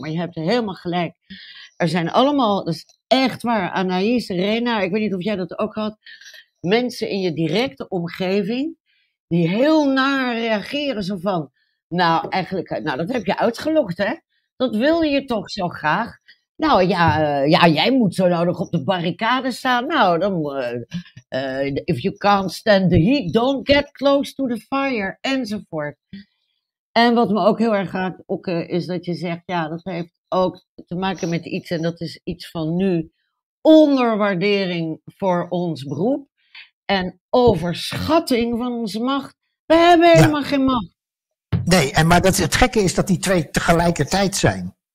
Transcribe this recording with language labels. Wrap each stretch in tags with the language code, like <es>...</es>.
<nl>Maar je hebt helemaal gelijk. Er zijn allemaal, dat is echt waar, Anaïs, Rena, ik weet niet of jij dat ook had. Mensen in je directe omgeving die heel naar reageren. Zo van, nou eigenlijk, nou dat heb je uitgelokt hè. Dat wil je toch zo graag? Nou ja, jij moet zo nodig op de barricade staan. Nou, dan</nl> <en>if you can't stand the heat, don't get close to the fire,</en> <nl>enzovoort. En wat me ook heel erg gaat okken, is dat je zegt, ja, dat heeft ook te maken met iets, en dat is iets van nu, onderwaardering voor ons beroep en overschatting van onze macht. We hebben helemaal geen macht. Nee, maar het gekke is dat die twee tegelijkertijd zijn.</nl>